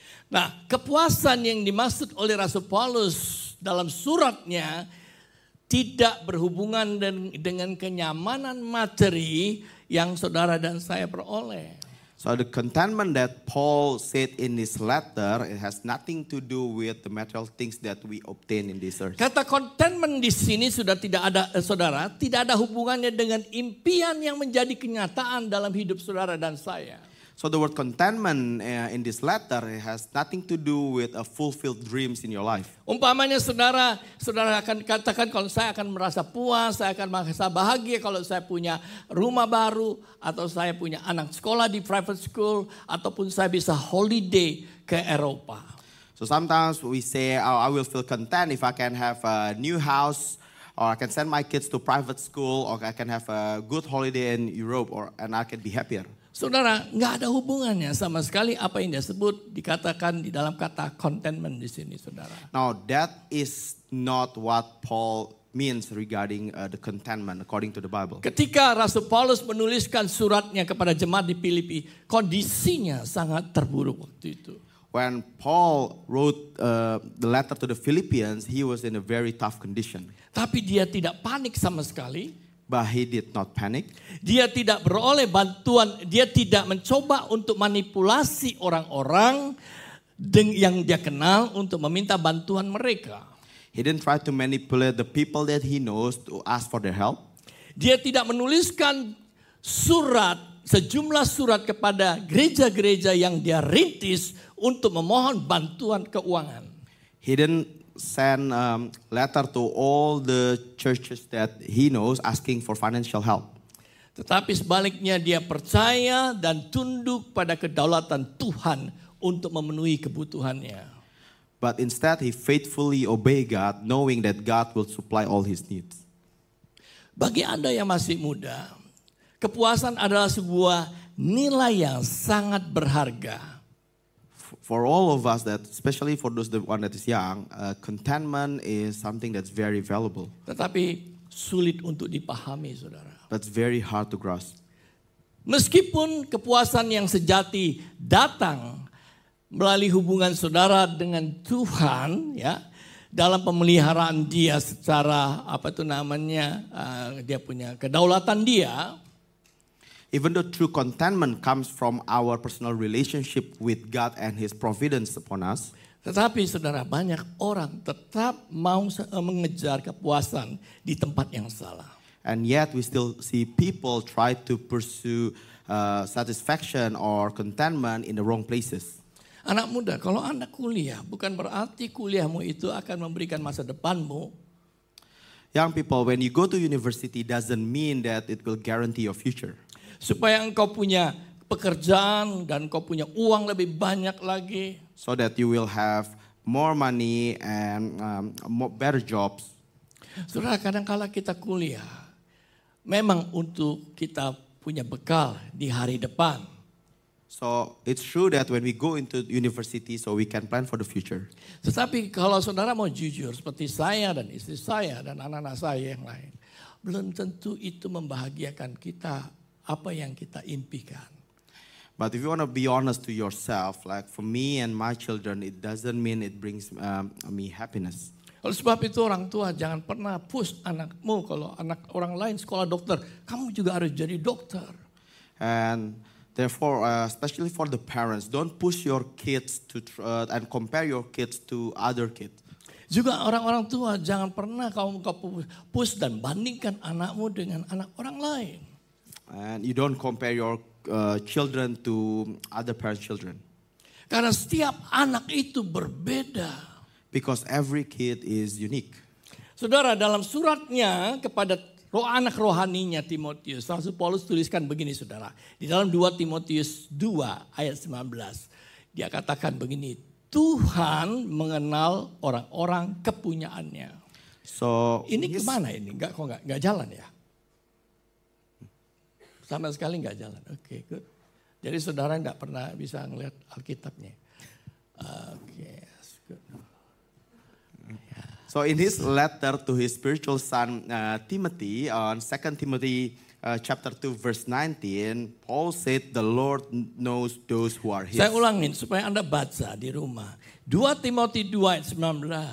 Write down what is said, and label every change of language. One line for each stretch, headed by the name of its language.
Indonesian: Nah, kepuasan yang dimaksud oleh Rasul Paulus dalam suratnya tidak berhubungan dengan kenyamanan materi yang saudara dan saya peroleh.
English: So the contentment that Paul said in his letter, it has nothing to do with the material things that we obtain in this earth.
Indonesian: Kata contentment di sini sudah tidak ada, saudara, tidak ada hubungannya dengan impian yang menjadi kenyataan dalam hidup saudara dan saya.
English: So the word contentment in this letter, it has nothing to do with a fulfilled dreams in your life.
Indonesian: Umpamanya saudara, saudara akan katakan kalau saya akan merasa puas, saya akan merasa bahagia kalau saya punya rumah baru, atau saya punya anak sekolah di
English: private school,
Indonesian: ataupun saya bisa holiday ke Eropa.
English: So sometimes we say, I will feel content if I can have a new house, or I can send my kids to private school, or I can have a good holiday in Europe, and I can be happier.
Indonesian: Saudara, enggak ada hubungannya sama sekali apa yang dia sebut dikatakan di dalam kata contentment di sini, saudara.
English: Now, that is not what Paul means regarding the contentment according to the Bible.
Indonesian: Ketika Rasul Paulus menuliskan suratnya kepada jemaat di Filipi, kondisinya sangat terburuk waktu itu.
English: When Paul wrote the letter to the Philippians, he was in a very tough condition.
Indonesian: Tapi dia tidak panik sama sekali.
English: But he did not panic.
Indonesian: Dia tidak beroleh bantuan, dia tidak mencoba untuk manipulasi orang-orang yang dia kenal untuk meminta bantuan mereka.
English: He didn't try to manipulate the people that he knows to ask for their help.
Indonesian: Dia tidak menuliskan surat, sejumlah surat kepada gereja-gereja yang dia rintis untuk memohon bantuan keuangan.
English: He didn't send letter to all the churches that he knows asking for financial help.
Indonesian: Tetapi sebaliknya dia percaya dan tunduk pada kedaulatan Tuhan untuk memenuhi kebutuhannya.
English: But instead he faithfully obey God, knowing that God will supply all his needs.
Indonesian: Bagi Anda yang masih muda, kepuasan adalah sebuah nilai yang sangat berharga.
English: For all of us, that especially for those the one that is young, contentment is something that's very valuable.
Indonesian: Tetapi sulit untuk dipahami, saudara.
English: That's very hard to grasp.
Indonesian: Meskipun kepuasan yang sejati datang melalui hubungan saudara dengan Tuhan, ya, dalam pemeliharaan Dia secara apa itu namanya, Dia punya kedaulatan Dia.
English: Even though true contentment comes from our personal relationship with God and His providence upon us.
Indonesian: Tetapi saudara, banyak orang tetap mau mengejar kepuasan di tempat yang salah.
English: And yet we still see people try to pursue satisfaction or contentment in the wrong places.
Indonesian: Anak muda, kalau Anda kuliah, bukan berarti kuliahmu itu akan memberikan masa depanmu.
English: Young people, when you go to university doesn't mean that it will guarantee your future.
Indonesian: Supaya engkau punya pekerjaan dan engkau punya uang lebih banyak lagi.
English: So that you will have more money and better jobs.
Indonesian: Saudara, kadangkala kita kuliah memang untuk kita punya bekal di hari depan.
English: So it's true that when we go into university so we can plan for the future.
Indonesian: Tetapi kalau saudara mau jujur seperti saya dan istri saya dan anak-anak saya yang lain, belum tentu itu membahagiakan kita. Apa yang kita impikan.
English: But if you want to be honest to yourself, like for me and my children, it doesn't mean it brings me happiness.
Indonesian: Oleh sebab itu orang tua jangan pernah push anakmu kalau anak orang lain sekolah dokter, kamu juga harus jadi dokter.
English: And therefore, especially for the parents, don't push your kids to and compare your kids to other kids.
Indonesian: Juga orang-orang tua jangan pernah kamu push dan bandingkan anakmu dengan anak orang lain.
English: And you don't compare your children to other parents' children.
Indonesian: Karena setiap anak itu berbeda.
English: Because every kid is unique.
Indonesian: Saudara, dalam suratnya kepada anak rohaninya Timotius, Rasul Paulus tuliskan begini, saudara. Di dalam 2 Timotius 2 ayat 19. Dia katakan begini, Tuhan mengenal orang-orang kepunyaannya.
English: So
Indonesian: ini kemana ini? Enggak, kok enggak jalan ya? Sama sekali enggak jalan. Oke,
English: okay, good.
Indonesian: Jadi saudara enggak pernah bisa ngelihat Alkitabnya.
English: Oke, okay, good. So in his letter to his spiritual son Timothy on 2 Timothy chapter 2 verse 19, Paul said the Lord knows those who are his.
Indonesian: Saya ulangin supaya Anda baca di rumah. 2 Timothy 2 ayat 19.